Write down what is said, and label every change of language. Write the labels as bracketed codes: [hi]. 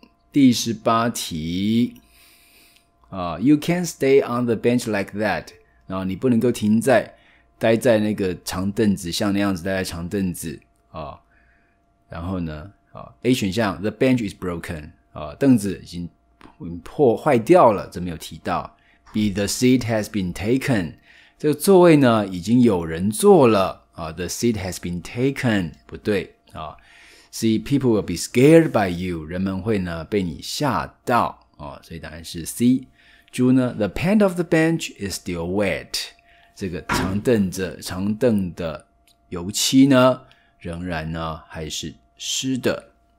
[zh] 第十八题 [en] You can't stay on the bench like that. [zh] 然后你不能够待在那个长凳子，像那样子待在长凳子。然后呢A 选项 [en] The bench is broken. [zh] 凳子已经坏掉了，这没有提到。 [en] B, the seat has been taken. [zh] 这个座位呢已经有人坐了。 [en] The seat has been taken. 不对。C, people will be scared by you. [zh] 人们会呢被你吓到。所以答案是 C。猪呢 [en] ,the pant of the bench is still wet. [zh] 这个长凳的油漆呢仍然呢还是湿的。